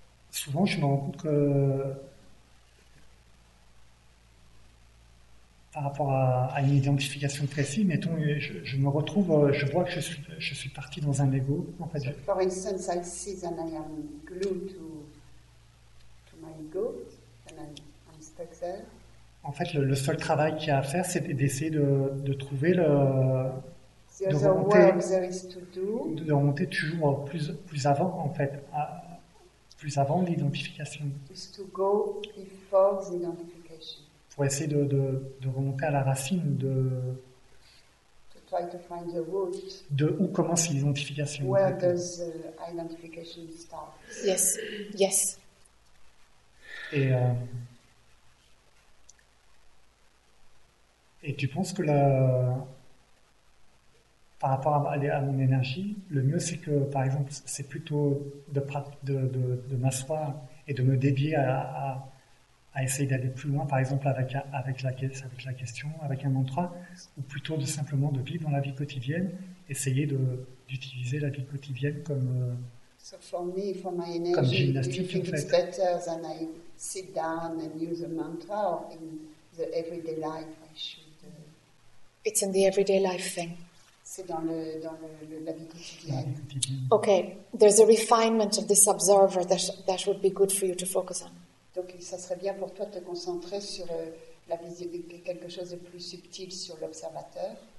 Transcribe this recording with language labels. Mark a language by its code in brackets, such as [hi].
[fr] Souvent, je me rends compte que. Par rapport à une identification précise, mettons, je me retrouve, je vois que je suis parti dans un ego. En fait, [en] for instance, I see that I am glued to my ego, and I'm stuck there. [fr] En fait, le seul travail qu'il y a à faire, c'est d'essayer de trouver le. [en] The other work there is to do. [fr] De remonter toujours plus avant, en fait, plus avant l'identification. [en] Is to go before the identification. [fr] Pour essayer de remonter à la racine de. [en] To try to find the root. [fr] De où commence l'identification. [en] Where does the identification start? Yes, yes. [fr] Et tu penses que la. Par rapport à mon énergie, le mieux c'est que, par exemple, c'est plutôt de m'asseoir et de me dévier à essayer d'aller plus loin, par exemple avec la question, avec un mantra, ou plutôt de simplement de vivre dans la vie quotidienne, essayer d'utiliser la vie quotidienne comme [en] so for me, for my energy, [fr] comme gymnastique en fait. [en] It's better than I sit down and use a mantra or in the everyday life. I should. It's in the everyday life thing. [fr] C'est dans la vie quotidienne. [en] Okay, there's a refinement of this observer that would be good for you to focus on. [fr] Donc, ça serait bien pour toi de te concentrer sur la visibilité, quelque chose de plus subtil sur l'observateur.